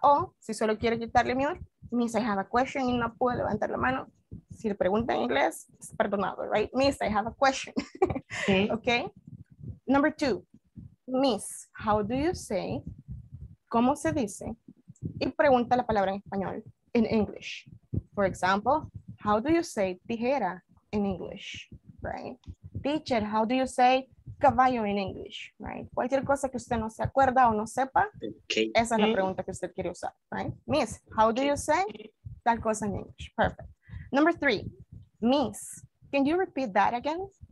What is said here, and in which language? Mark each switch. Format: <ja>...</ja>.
<es>O, si solo quiere quitarle miedo,</es> <en>Miss, I have a question</en> <es>y no puedo levantar la mano. Si le pregunta en inglés, es perdonado, right?</es> <en>Miss, I have a question. Okay. Number two. Miss, how do you say,</en> <es>¿cómo se dice? Y pregunta la palabra en español,</es> <en>in English. For example, how do you say tijera in English, right? Teacher, how do you say caballo in English, right?</en> <es>Cualquier cosa que usted no se acuerda o no sepa,</es> <en>okay.</en> <es>Esa es la pregunta que usted quiere usar, right?</es> <en>Miss, how do you say</en> <es>tal cosa</es> <en>in English? Perfect. Number three, Miss, can you repeat that again?</en>